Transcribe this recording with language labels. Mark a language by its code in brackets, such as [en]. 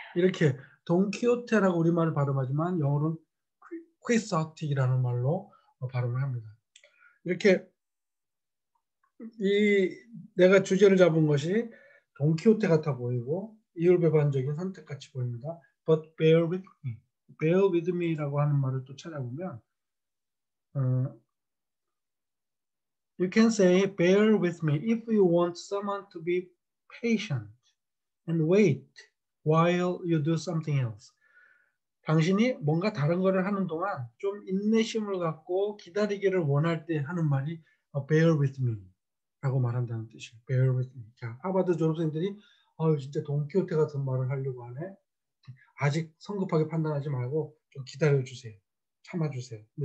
[ko] 이렇게 동키호테라고 우리말을 발음하지만 영어로는 Quixotic이라는 말로 발음을 합니다. 이렇게 내가 주제를 잡은 것이 동키호테 같아 보이고 이율배반적인 선택같이 보입니다. [en] But bear with me. Bear with me라고 하는 말을 또 찾아보면 You can say, bear with me if you want someone to be patient and wait while you do something else. [ko] 당신이 뭔가 다른 거를 하는 동안 좀 인내심을 갖고 기다리기를 원할 때 하는 말이 bear with me라고 말한다는 뜻이에요. [en] bear with me. [ko] 자, 하버드 졸업생들이 진짜 돈키호테 같은 말을 하려고 하네. 아직 성급하게 판단하지 말고 좀 기다려주세요. 참아주세요.